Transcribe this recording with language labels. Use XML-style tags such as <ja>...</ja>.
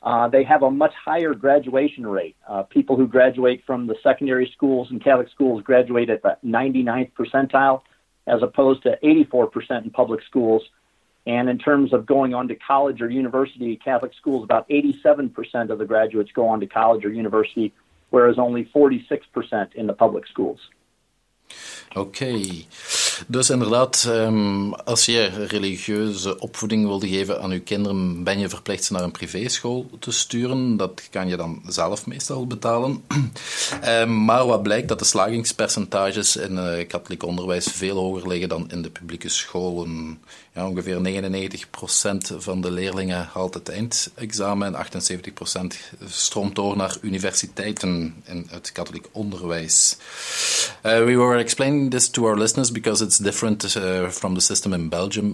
<en>They have a much higher graduation rate. People who graduate from the secondary schools and Catholic schools graduate at the 99th percentile, as opposed to 84% in public schools. And in terms of going on to college or university, Catholic schools, about 87% of the graduates go on to college or university, whereas only 46% in the public schools. Okay.</en> <nl>Dus inderdaad, als je religieuze opvoeding wilde geven aan je kinderen, ben je verplicht ze naar een privéschool te sturen. Dat kan je dan zelf meestal betalen. Maar wat blijkt, dat de slagingspercentages in katholiek onderwijs veel hoger liggen dan in de publieke scholen. Ja, ongeveer 99% van de leerlingen haalt het eindexamen en 78% stroomt door naar universiteiten in het katholiek onderwijs.</nl> <en>We were explaining this to our listeners because it's different from the system in Belgium.</en>